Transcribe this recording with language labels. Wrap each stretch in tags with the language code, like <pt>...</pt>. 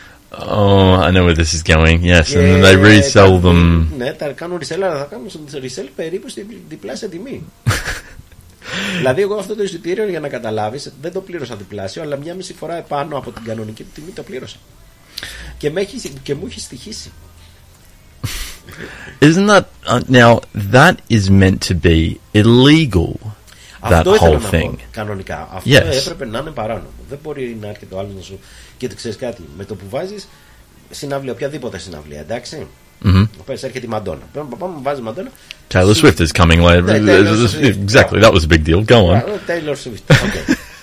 <en>Oh, I know where this is going. Yes, and then they resell them.</en> <el>Ναι, τα κάνουν resell, αλλά θα κάνουν resell περίπου στην διπλάσια τιμή. Δηλαδή, εγώ αυτό το εισιτήριο, για να καταλάβεις, δεν το πλήρωσα διπλάσιο, αλλά μια μισή φορά επάνω από την κανονική τιμή το πλήρωσα. Και μου έχει στοιχήσει.</el> <en>Isn't that now that is meant to be illegal, that whole thing?</en> <el>Αυτό κανονικά. Αυτό yes. έπρεπε να είναι παράνομο. Δεν μπορεί να έρχεται ο άλλος να σου... Και το ξέρεις κάτι, με το που βάζεις συναυλία, οποιαδήποτε συναυλία, εντάξει. Πες, έρχεται η Μαντόνα. Πάμε, βάζει Μαντόνα.</el> <en>Taylor Swift is coming later. Exactly, that was a big deal. Go on. Taylor Swift, okay.</en>